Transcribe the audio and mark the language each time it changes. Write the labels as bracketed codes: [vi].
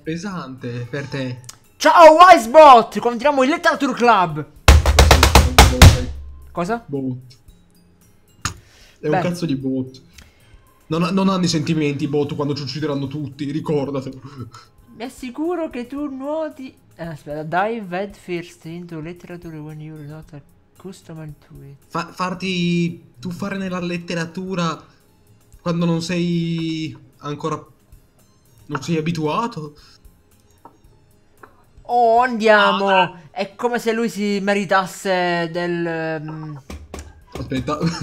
[it] Pesante per te. Ciao Wisebot! Continuiamo il Literature Club! Cosa? Beh. Bot. È un cazzo di bot. Non hanno i sentimenti i bot quando ci uccideranno tutti, ricordatelo. Mi assicuro che tu nuoti... aspetta, [en] dive headfirst into literature when you're not accustomed to it. [it] Farti tuffare nella letteratura quando non sei ancora. Non sei abituato? Oh, Ah, andiamo! È come se lui si meritasse aspetta.